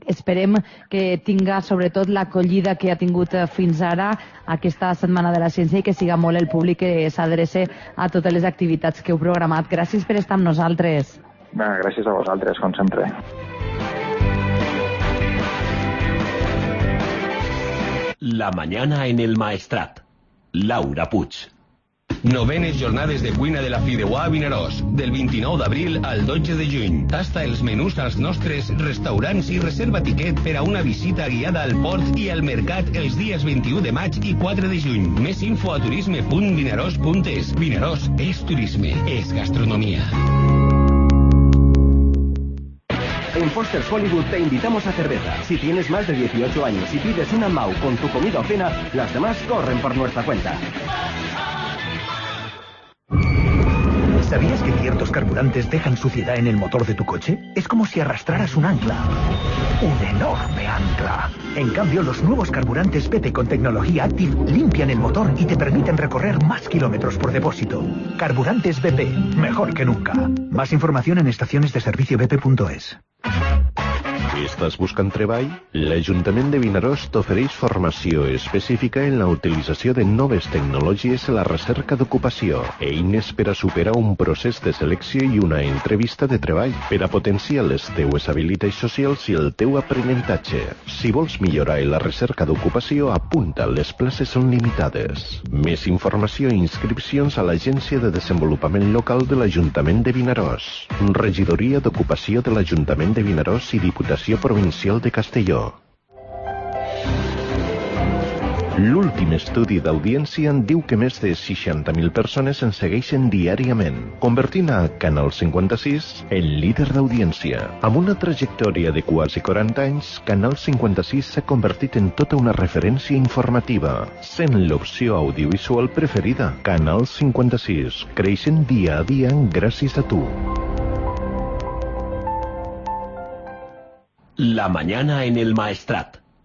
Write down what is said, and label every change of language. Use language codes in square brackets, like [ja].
[ca] Esperem que tinga sobretot l'acollida que ha tingut fins ara aquesta setmana de la ciència i que siga molt el públic que s'adreça a totes les activitats que heu programat. Gràcies per estar amb nosaltres. Bé, gràcies a vosaltres, com sempre. [es] La mañana en el Maestrat. Laura Puig. [ca] Novenes jornades de cuina de la Fideuà a Vinaròs, del 29 d'abril al 12 de juny. Tasta els menús als nostres restaurants i reserva tiquet per a una visita guiada al port i al mercat els dies 21 de maig i 4 de juny. Més info a turisme.vinaròs.es. Vinaròs és turisme, és gastronomia. [es] En Foster's Hollywood te invitamos a cerveza. Si tienes más de 18 años y pides una MAU con tu comida o cena, las demás corren por nuestra cuenta. ¿Sabías que ciertos carburantes dejan suciedad en el motor de tu coche? Es como si arrastraras un ancla. ¡Un enorme ancla! En cambio, los nuevos carburantes PT con tecnología Active limpian el motor y te permiten recorrer más kilómetros por depósito. Carburantes BP. Mejor que nunca. Más información en estaciones de servicio bp.es. [ca] Estàs buscant treball? L'Ajuntament de Vinaròs t'ofereix formació específica en la utilització de noves tecnologies a la recerca d'ocupació. Eines per a superar un procés de selecció i una entrevista de treball per a potenciar les teues habilitats socials i el teu aprenentatge. Si vols millorar la recerca d'ocupació, apunta, les places són limitades. Més informació i inscripcions a l'Agència de Desenvolupament Local de l'Ajuntament de Vinaròs. Regidoria d'Ocupació de l'Ajuntament de Vinaròs i Diputació Provincial de Castelló. L'últim estudi d'audiència en diu que més de 60.000 persones en segueixen diàriament, convertint a Canal 56 en líder d'audiència. Amb una trajectòria de quasi 40 anys, Canal 56 s'ha convertit en tota una referència informativa, sent l'opció audiovisual preferida. Canal 56, creixent dia a dia gràcies a tu. [es] La mañana en el Maestrat.